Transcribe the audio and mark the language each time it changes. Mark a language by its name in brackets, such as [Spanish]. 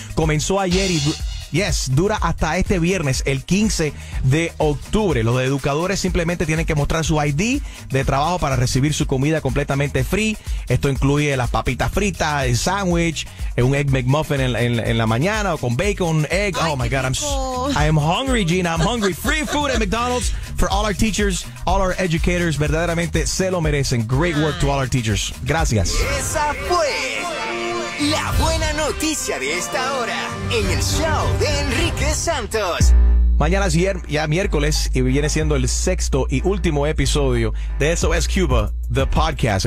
[Spanish] Comenzó ayer y dura hasta este viernes, el 15 de octubre. Los educadores simplemente tienen que mostrar su ID de trabajo para recibir su comida completamente free. Esto incluye las papitas fritas, el sándwich, un Egg McMuffin en la mañana o con bacon, egg. Ay, [English] oh my God, I'm hungry, Gina, I'm hungry. Free food at McDonald's for all our teachers, all our educators. [Spanish] Verdaderamente se lo merecen. [English] Great work to all our teachers. [Spanish] Gracias. Esa fue la buena noticia de esta hora en el show de Enrique Santos. Mañana es ya miércoles y viene siendo el sexto y último episodio de SOS Cuba, The Podcast.